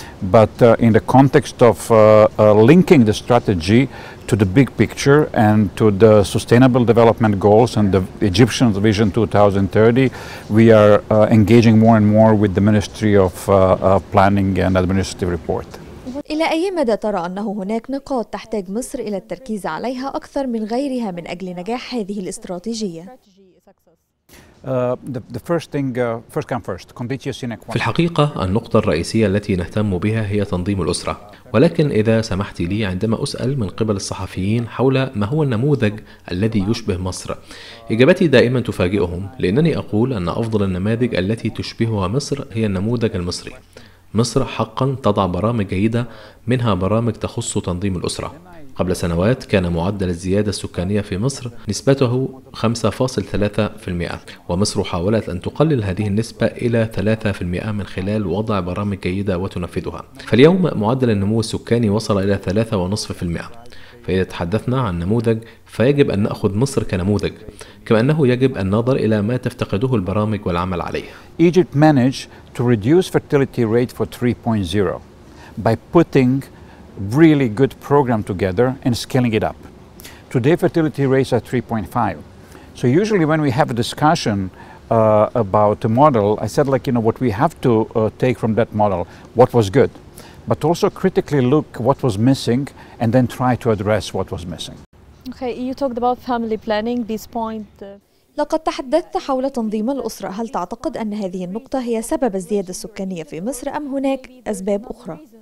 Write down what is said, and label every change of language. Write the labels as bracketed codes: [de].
[en] But in the context of linking the strategy to the big picture and to the sustainable development goals and the Egyptian vision 2030, we are engaging more and more with the Ministry of Planning and Administrative Report. [ar] إلى أي مدى ترى أنه هناك نقاط تحتاج مصر إلى التركيز عليها أكثر من غيرها من أجل نجاح هذه الاستراتيجية؟ في الحقيقة النقطة الرئيسية التي نهتم بها هي تنظيم الأسرة. ولكن إذا سمحت لي، عندما أسأل من قبل الصحفيين حول ما هو النموذج الذي يشبه مصر، إجابتي دائما تفاجئهم، لأنني أقول أن أفضل النماذج التي تشبهها مصر هي النموذج المصري. مصر حقا تضع برامج جيدة، منها برامج تخص تنظيم الأسرة. قبل سنوات كان معدل الزيادة السكانية في مصر نسبته 5.3%، ومصر حاولت أن تقلل هذه النسبة إلى 3% من خلال وضع برامج جيدة وتنفذها. فاليوم معدل النمو السكاني وصل إلى 3.5%. فإذا تحدثنا عن نموذج، فيجب أن نأخذ مصر كنموذج، كما أنه يجب أن ننظر إلى ما تفتقده البرامج والعمل عليه. [en] Egypt managed to reduce fertility rate for 3.0 by putting really good program together and scaling it up. Today fertility rates are 3.5. So usually when we have a discussion about a model, I said like, you know, what we have to take from that model, what was good, but also critically look what was missing and then try to address what was missing. Okay, you talked about family planning, this point. [ar] لقد تحدثت حول تنظيم الأسرة، هل تعتقد أن هذه النقطة هي سبب الزيادة السكانية في مصر أم هناك أسباب أخرى؟